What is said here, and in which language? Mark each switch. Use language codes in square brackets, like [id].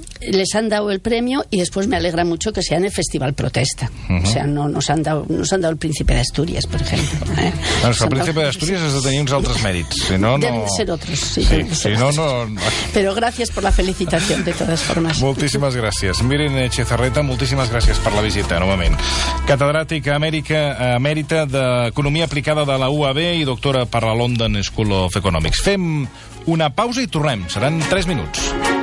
[es] les han dado el premio y después me alegra mucho que sea en el Festival Protesta. Uh-huh. O sea, no nos han dado el Príncipe de Asturias, por ejemplo. Bueno, el Príncipe de Asturias es de [ca] tenir uns altres mèrits. Si no, no... [es] Deben ser otros, sí. Pero gracias por la felicitación, de todas formas. [ca] Moltíssimes gràcies. Miren, Echezarreta, moltíssimes gràcies per la visita, novament. Catedràtica emèrita d'Economia Aplicada de la UAB i doctora per la London School of Economics. Fem una pausa i tornem. Seran 3 minuts.